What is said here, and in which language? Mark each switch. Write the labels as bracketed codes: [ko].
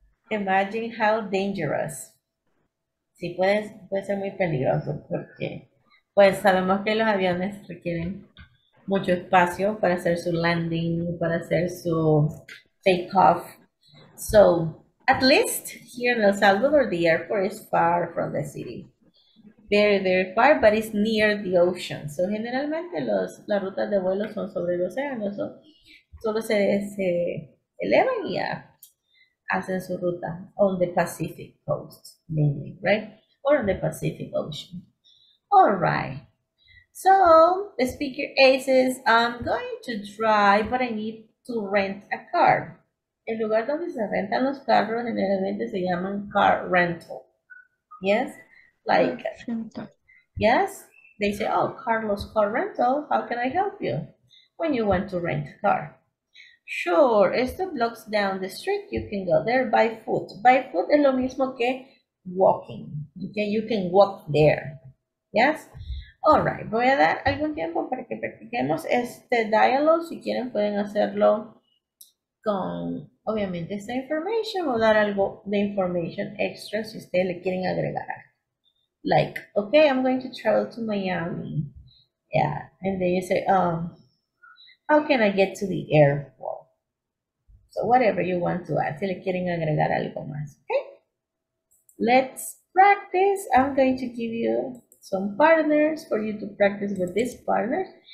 [en] Imagine how dangerous. [es] Sí, puede ser muy peligroso porque pues sabemos que los aviones requieren mucho espacio para hacer su landing, para hacer su takeoff. [en] So, at least here in El Salvador, the airport is far from the city. Very, very far, but it's near the ocean. [es] So, generalmente las rutas de vuelo son sobre el océano. So, solo se elevan y ya hacen su ruta [en] on the Pacific Coast, mainly, right? Or on the Pacific Ocean. All right. So, the speaker A says, I'm going to drive, but I need to rent a car. [es] El lugar donde se rentan los carros generalmente se llaman car rental. [en] Yes? Like, yes? They say, oh, Carlos, car rental, how can I help you? When you want to rent a car. Sure, it's 2 blocks down the street. You can go there by foot. By foot [es] es lo mismo que [en] walking. Okay, you can walk there. Yes? All right. [es] Voy a dar algún tiempo para que practiquemos este diálogo. Si quieren, pueden hacerlo con, obviamente, esta información o dar algo de información extra si ustedes le quieren agregar. [en] Like, okay, I'm going to travel to Miami. Yeah. And then you say, how can I get to the airport? So whatever you want to add, [es] si le quieren agregar algo más, [en] okay? Let's practice. I'm going to give you some partners for you to practice with these partners.